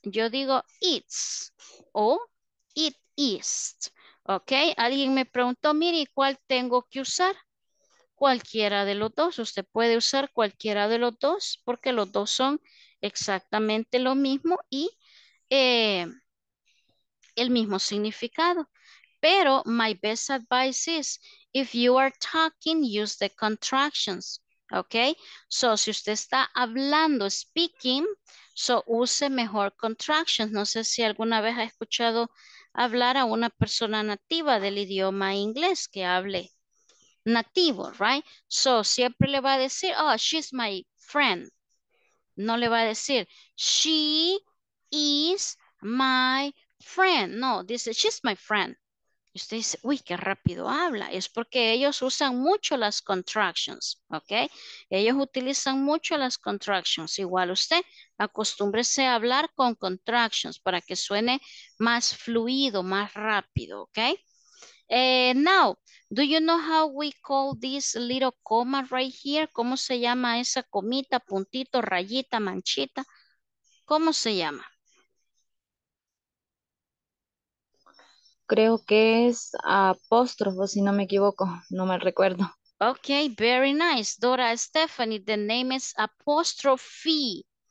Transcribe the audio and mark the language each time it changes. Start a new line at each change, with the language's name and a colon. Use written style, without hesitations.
Spanish: Yo digo
English: it's
Spanish: o
English: it is.
Spanish: Ok, alguien me preguntó, mire, ¿y cuál tengo que usar? Cualquiera de los dos. Usted puede usar cualquiera de los dos porque los dos son exactamente lo mismo y el mismo significado.
English: Pero my best advice is, if you are talking, use the contractions.
Spanish: Ok, so si usted está hablando, speaking, so use mejor contractions. No sé si alguna vez ha escuchado hablar a una persona nativa del idioma inglés que hable nativo, right? So, siempre le va a decir,
English: oh, she's my friend.
Spanish: No le va a decir,
English: she is my friend.
Spanish: No, dice,
English: she's my friend.
Spanish: Y usted dice, uy, qué rápido habla. Es porque ellos usan mucho las contractions, ¿ok? Ellos utilizan mucho las contractions. Igual usted, acostúmbrese a hablar con contractions para que suene más fluido, más rápido, ¿ok?
English: Now, do you know how we call this little comma right here?
Spanish: ¿Cómo se llama esa comita, puntito, rayita, manchita? ¿Cómo se llama? Creo que es apóstrofo, si no me equivoco, no me recuerdo.
English: Ok, very nice. Dora Stephanie, the name is apostrophe.